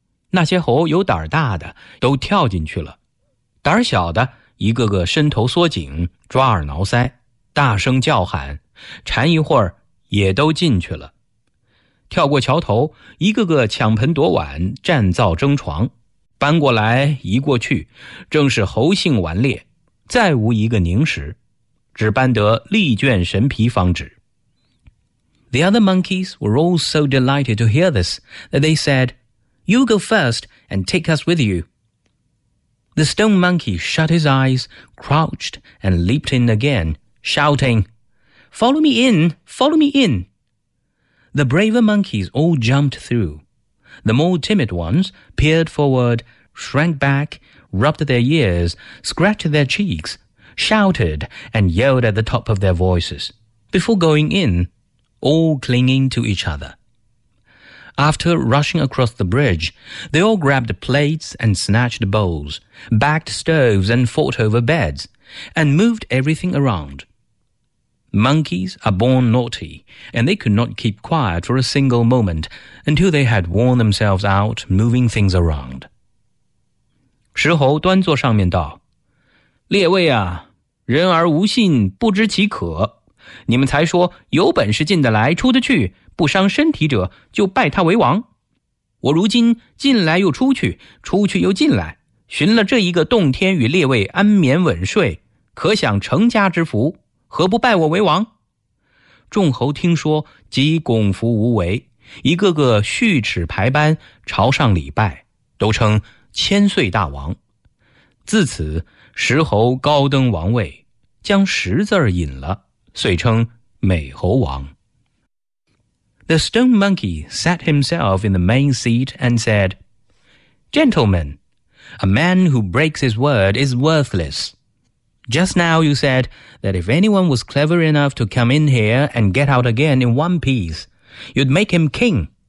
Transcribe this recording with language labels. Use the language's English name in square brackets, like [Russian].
[Chinese] 那些猴有胆大的都跳进去了，胆小的一个个伸头缩颈，抓耳挠腮，大声叫喊，缠一会儿也都进去了。跳过桥头，一个个抢盆夺碗，占灶争床，搬过来移过去，正是猴性顽劣，再无一个宁食，只搬得力倦神疲方止。 [English] The other monkeys were all so delighted to hear this that they said, You go first and take us with you. The stone monkey shut his eyes, crouched, and leaped in again, shouting, Follow me in, follow me in. The braver monkeys all jumped through. The more timid ones peered forward, shrank back, rubbed their ears, scratched their cheeks, shouted, and yelled at the top of their voices. Before going in,all clinging to each other. After rushing across the bridge, they all grabbed plates and snatched bowls, backed stoves and fought over beds, and moved everything around. Monkeys are born naughty, and they could not keep quiet for a single moment until they had worn themselves out moving things around. [Chinese] 石猴端坐上面道，列位啊，人而无信，不知其可。你们才说有本事进得来出得去，不伤身体者就拜他为王。我如今进来又出去，出去又进来，寻了这一个洞天与列位安眠稳睡，可享成家之福，何不拜我为王？众猴听说，即拱服无为，一个个蓄齿排班，朝上礼拜，都称千岁大王。自此石猴高登王位，将石字引了，遂称美猴王。 [English] The stone monkey sat himself in the main seat and said, Gentlemen, a man who breaks his word is worthless. Just now you said that if anyone was clever enough to come in here and get out again in one piece, you'd make him king.